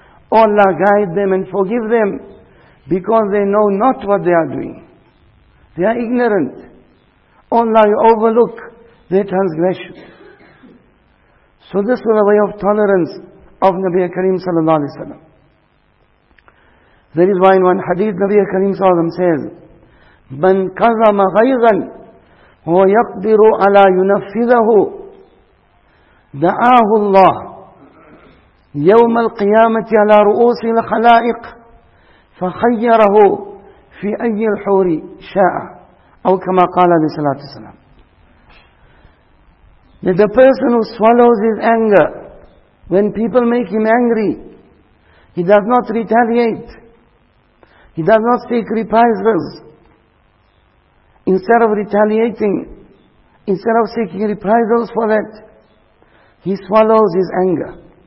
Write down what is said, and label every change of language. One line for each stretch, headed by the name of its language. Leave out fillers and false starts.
English: Oh Allah, guide them and forgive them, because they know not what they are doing. They are ignorant. Oh Allah, you overlook their transgression. So this was a way of tolerance of Nabi Karim sallallahu alaihi wasallam.
Arabic: That is why in one hadith, Nabi Karim sallallahu alaihi wasallam says, مَنْ كَظَمَ غَيْظًا هُوَ يَقْدِرُ عَلَىٰ يُنَفِّذَهُ دَعَاهُ اللَّهِ يَوْمَ الْقِيَامَةِ عَلَىٰ رُؤُوسِ الْخَلَائِقِ فَخَيَّرَهُ فِي أَيِّ الْحُورِ شَاءَ أو كما قال عليه الصلاة والسلام.
English: That the person who swallows his anger, when people make him angry, he does not retaliate, he does not seek reprisals. Instead of retaliating, instead of seeking reprisals for that, he swallows his anger.